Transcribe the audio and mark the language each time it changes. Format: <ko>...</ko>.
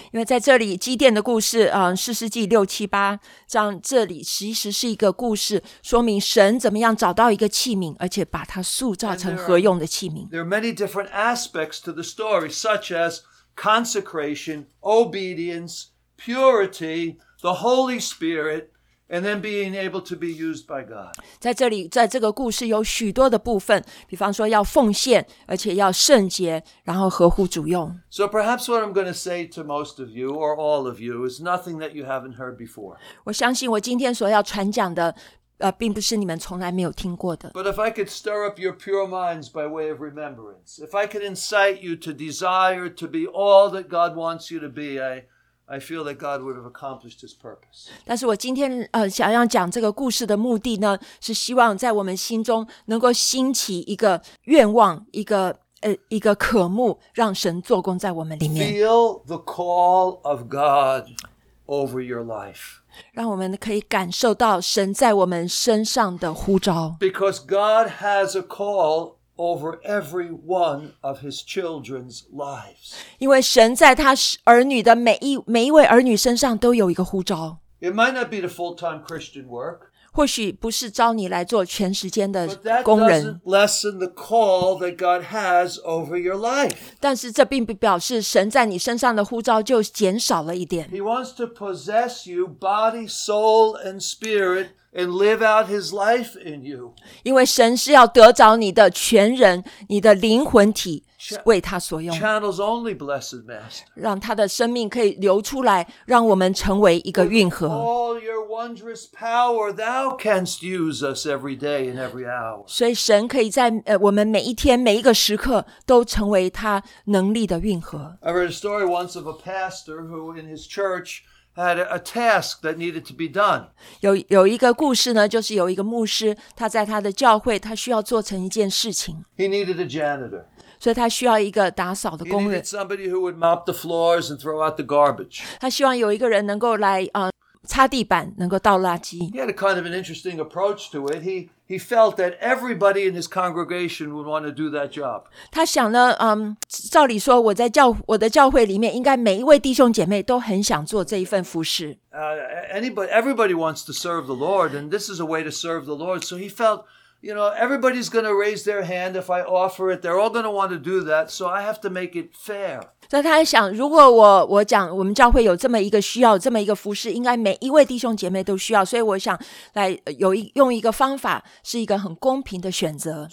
<zh>因为在这里基甸的故事士师记六七八章这里其实是一个故事说明神怎么样找到一个器皿而且把它塑造成合用的器皿。</zh> <en>There are many different aspects to the story such as consecration, obedience, purity, the Holy Spirit, and then being able to be used by God.</en> <zh>在这里在这个故事有许多的部分比方说要奉献而且要圣洁然后合乎主用。</zh> <en>So perhaps what I'm going to say to most of you or all of you is nothing that you haven't heard before.</en> <zh>我相信我今天所要传讲的并不是你们从来没有听过的。</zh> <en>But if I could stir up your pure minds by way of remembrance, if I could incite you to desire to be all that God wants you to be, I feel that God would have accomplished his purpose.</en> <zh>但是我今天想要讲这个故事的目的呢是希望在我们心中能够兴起一个愿望一个渴慕让神做工在我们里面。</zh> <en>Feel the call of God over your life.</en> <zh>让我们可以感受到神在我们身上的呼召。</zh> <en>Because God has a call over every one of his children's lives.</en> <zh>因为神在他儿女的每一位儿女身上都有一个呼召。</zh> <en>It might not be the full-time Christian work.</en> <zh>或许不是招你来做全时间的工人。</zh> <en>But that doesn't lessen the call that God has over your life.</en> <zh>但是这并不表示神在你身上的呼召就减少了一点。</zh> <en>He wants to possess you body, soul, and spirit. And live out his life in you.</en> <zh>因为神是要得着你的全人，你的灵魂体为他所用。</zh> <en>Channels only blessed master.</en> <zh>让他的生命可以流出来，让我们成为一个运河。</zh> <en>With all your wondrous power, thou canst use us every day and every hour.</en> <zh>所以神可以在我们每一天每一个时刻都成为他能力的运河。</zh> <en>I read a story once of a pastor who in his church. Had a task that needed to be done.</en> <zh>有一个故事呢，就是有一个牧师，他在他的教会，他需要做成一件事情。</zh> <en>He needed a janitor.</en> <zh>所以他需要一个打扫的工人。</zh> <en>He needed somebody who would mop the floors and throw out the garbage.</en> <zh>他希望有一个人能够来擦地板能够倒垃圾。</zh> <en>He had a kind of an interesting approach to it. He felt that everybody in his congregation would want to do that job.</en> <zh>他想呢，照理说我在我的教会里面应该每一位弟兄姐妹都很想做这一份服事。</zh> <en>Everybody wants to serve the Lord, and this is a way to serve the Lord. So he felt, you know, everybody's going to raise their hand if I offer it. They're all going to want to do that, so I have to make it fair.</en> <zh>所以他想，如果我讲我们教会有这么一个需要，这么一个服事，应该每一位弟兄姐妹都需要，所以我想来用一个方法，是一个很公平的选择。</zh>